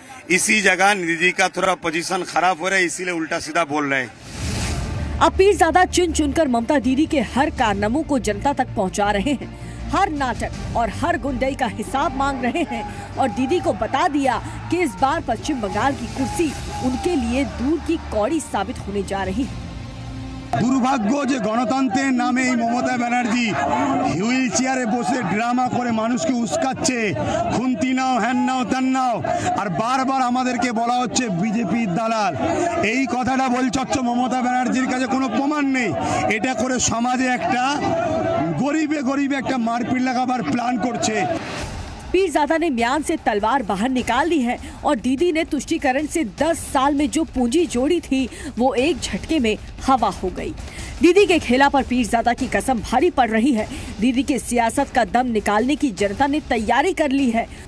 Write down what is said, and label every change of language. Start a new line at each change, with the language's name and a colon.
Hindi: इसी जगह दीदी का थोड़ा पोजीशन खराब हो रहा है, इसीलिए उल्टा सीधा बोल रहे हैं। अब पीर ज्यादा चुन चुनकर ममता दीदी के हर कारनामों को जनता तक पहुंचा रहे हैं, हर नाटक और हर गुंडई का हिसाब मांग रहे हैं और दीदी को बता दिया कि इस बार पश्चिम बंगाल की कुर्सी उनके लिए दूर की कौड़ी साबित होने जा रही है।
Bangla: দুর্ভাগ্য যে গণতন্ত্রের নামে এই মমতা ব্যানার্জি হুইল চেয়ারে বসে ড্রামা করে মানুষকে উস্কাচ্ছে, খুন্তি নাও হ্যান নাও তান নাও, আর বারবার আমাদেরকে বলা হচ্ছে বিজেপির দালাল। এই কথাটা বলছ মমতা ব্যানার্জির কাছে কোনো প্রমাণ নেই, এটা করে সমাজে একটা গরিবে গরিবে একটা মারপিট লাগাবার প্ল্যান করছে।
Hindi: पीर ज़ादा ने म्यान से तलवार बाहर निकाल ली है और दीदी ने तुष्टीकरण से 10 साल में जो पूंजी जोड़ी थी वो एक झटके में हवा हो गई। दीदी के खेला पर पीर ज़ादा की कसम भारी पड़ रही है। दीदी के सियासत का दम निकालने की जनता ने तैयारी कर ली है।